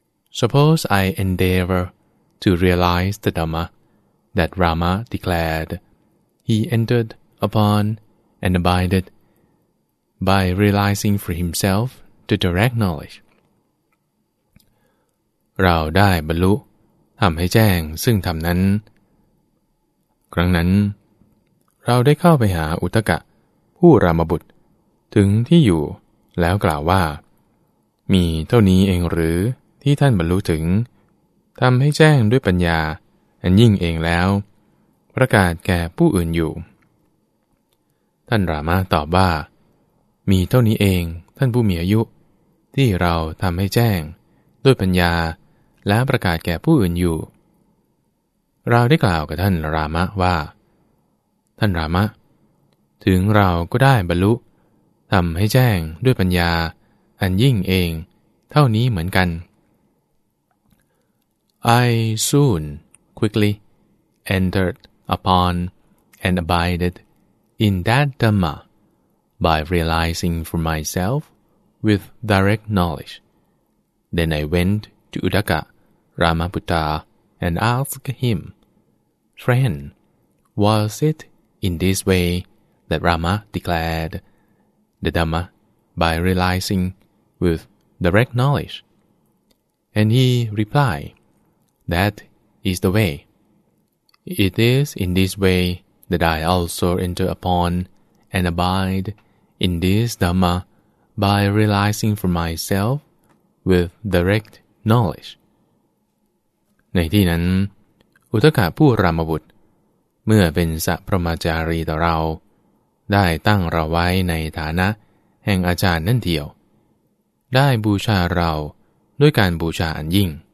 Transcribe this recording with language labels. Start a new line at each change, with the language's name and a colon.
English: Suppose I endeavor to realize the Dhamma that Rama declared he entered upon and abided by realizing for himself the direct knowledge.
Thai: เราได้บรรลุทำให้แจ้งซึ่งธรรมนั้นครั้งนั้นเราได้เข้าไปหาอุตตกะผู้รามบุตรถึงที่อยู่แล้วกล่าวว่ามีเท่านี้เองหรือที่ท่านบรรลุถึงทำให้แจ้งด้วยปัญญาอันยิ่งเองแล้วประกาศแก่ผู้อื่นอยู่ท่านรามาตอบว่ามีเท่านี้เองท่านผู้มีอายุที่เราทำให้แจ้งด้วยปัญญาและประกาศแก่ผู้อื่นอยู่เราได้กล่าวกับท่านรามะว่าท่านรามะถึงเราก็ได้บรรลุทำให้แจ้งด้วยปัญญาอันยิ่งเองเท่านี้เหมือนกัน
English: I soon quickly entered upon and abided in that Dhamma by realizing for myself with direct knowledge. Then I went to Uddaka Ramaputta and asked him, Friend, was it in this way that Rama declared the Dhamma by realizing with direct knowledge? And he replied,That is the way. It is in this way that I also enter upon and abide in this Dhamma by realizing for myself with direct knowledge.
Thai: ในที่นั้นอุตตกะผู้รามบุตรเมื่อเป็นสัพพรหมจารีต่อเราได้ตั้งเราไว้ในฐานะแห่งอาจารย์นั่นเดียวได้บูชาเราด้วยการบูชาอันยิ่ง